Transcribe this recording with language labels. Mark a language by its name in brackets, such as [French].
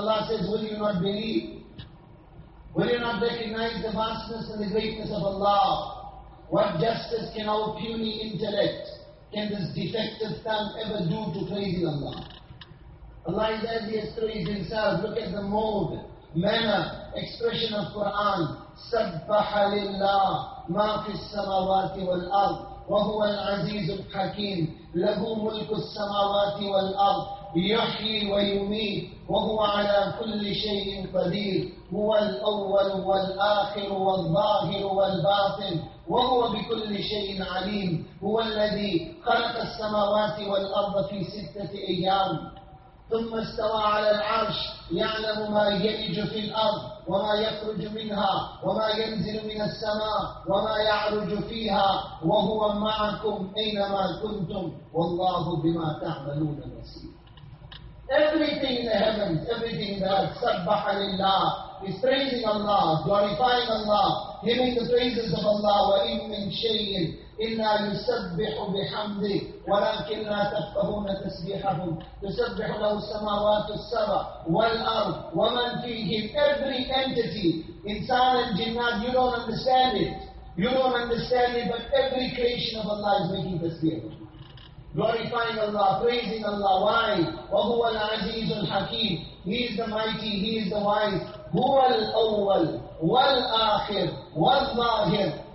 [English] And Allah says, will you not believe? Will you not recognize the vastness and the greatness of Allah? What justice can our puny intellect, can this defective thumb ever do to crazy Allah? Allah is as he has praised himself. Look at the mode, manner, expression of Quran. [Arabic] سَبَّحَ لِلَّهِ مَا فِي السَّمَوَاتِ وَالْأَرْضِ وَهُوَ الْعَزِيزُ الْحَكِيمُ لَهُ مُلْكُ السَّمَاوَاتِ وَالْأَرْضِ يُحْيِي وَيُمِيتُ وَهُوَ عَلَى كُلِّ شَيْءٍ قَدِيرٌ هُوَ الْأَوَّلُ وَالْآخِرُ وَالظَّاهِرُ وَالْبَاطِنُ وَهُوَ بِكُلِّ شَيْءٍ عَلِيمٌ هُوَ الَّذِي خَلَقَ السَّمَاوَاتِ وَالْأَرْضَ فِي سِتَّةِ أَيَّامٍ ثم استوى على العرش يعلم ما يلج في الأرض وما يخرج منها وما ينزل من السماء وما يعرج فيها وهو معكم أينما كنتم والله بما تعملون بصير. [English] Everything in the heavens, everything in the earth, [Arabic] سبح لله, [English] is praising Allah, glorifying Allah, giving the praises of Allah. [Arabic] وإن من شيء إلا يسبح بحمده ولكن لا تفقهون تسبيحهم تسبح له السماوات السبع والأرض ومن فيهم. [English] Every entity, insan and jinnat, you don't understand it. You don't understand it, but every creation of Allah is making tasbih. Glorifying Allah, praising Allah. Why? [Arabic] وَهُوَ الْعَزِيزُ الْحَكِيمُ. [English] He is the mighty, he is the wise. [Arabic] هُوَ الْأَوَّلُ وَالْآخِرُ وَالظَّاهِرُ.